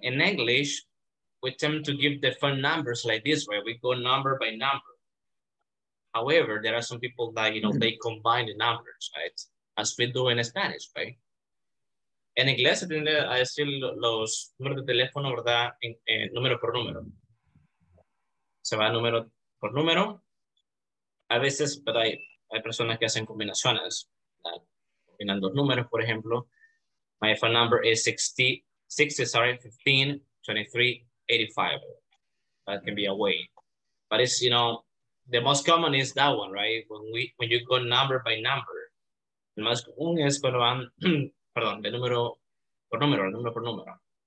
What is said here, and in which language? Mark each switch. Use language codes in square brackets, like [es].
[en] In English, we tend to give the phone numbers like this, right? We go number by number. However, there are some people that, you know, they combine the numbers, right? As we do in Spanish, right? [es] En inglés se tiende a decir los números de teléfono, ¿verdad? Número por número. Se va número por número. A veces, pero hay personas que hacen combinaciones, ¿verdad? Combinan dos números, por ejemplo. [en] My phone number is 15-2385. That can be a way. But it's, you know, the most common is that one, right? When you go number by number. [es] El más común es cuando van... Perdón, de número por número, el número por número.